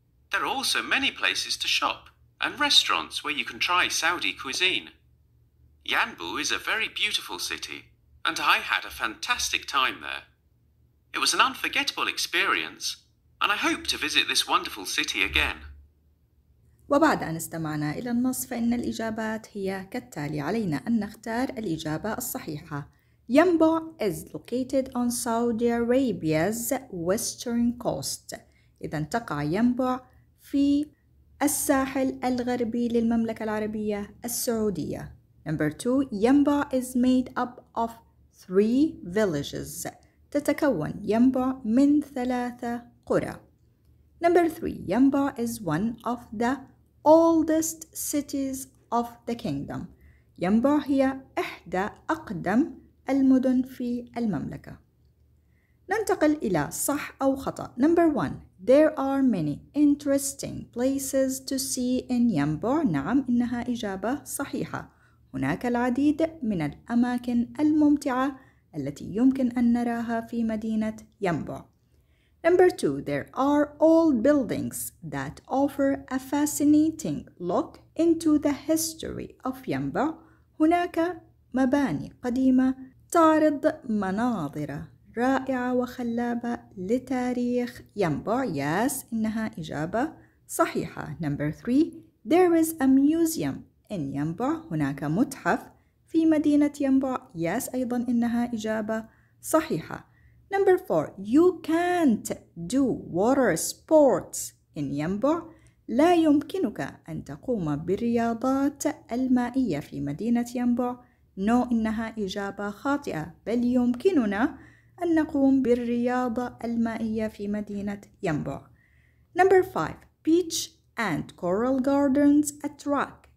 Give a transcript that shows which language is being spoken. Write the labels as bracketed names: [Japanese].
[English] There are also many places to shop and restaurants where you can try Saudi cuisine. Yanbu is a very beautiful city, and I had a fantastic time there. It was an unforgettable experience, and I hope to visit this wonderful city again. [Arabic] وبعد أن استمعنا إلى النص فإن الإجابات هي كالتالي. علينا أن نختار الإجابة الصحيحة. [English] Yanbu is located on Saudi Arabia's western coast. [Arabic] إذا تقع ينبوع في الساحل الغربي للمملكة العربية السعودية. [English] Number two, Yanbu is made up of three villages. [Arabic] تتكون ينبوع من ثلاثة قرى. [English] Number three, Yanbu is one of the oldest cities of the kingdom. [Arabic] ينبوع هي إحدى أقدم المدن في المملكة. ننتقل إلى صح أو خطأ. [English] Number one, there are many interesting places to see in Yanbu. [Arabic] نعم إنها إجابة صحيحة. هناك العديد من الأماكن الممتعة التي يمكن أن نراها في مدينة ينبوع. [English] Number two, there are old buildings that offer a fascinating look into the history of Yanbu. [Arabic] هناك مباني قديمة تعرض مناظر رائعة وخلابة لتاريخ ينبوع. [English] Yes, [Arabic] إنها إجابة صحيحة. [English] Number three, there is a museum in Yanbu. [Arabic] هناك متحف في مدينة ينبوع. [English] Yes, [Arabic] أيضا إنها إجابة صحيحة. [English] Number four, you can't do water sports in Yanbu. [Arabic] لا يمكنك أن تقوم بالرياضات المائية في مدينة ينبوع. [English] No, [Arabic] إنها إجابة خاطئة. بل يمكننا أن نقوم بالرياضة المائية في مدينة ينبوع. [English] Number five, beach and coral gardens attract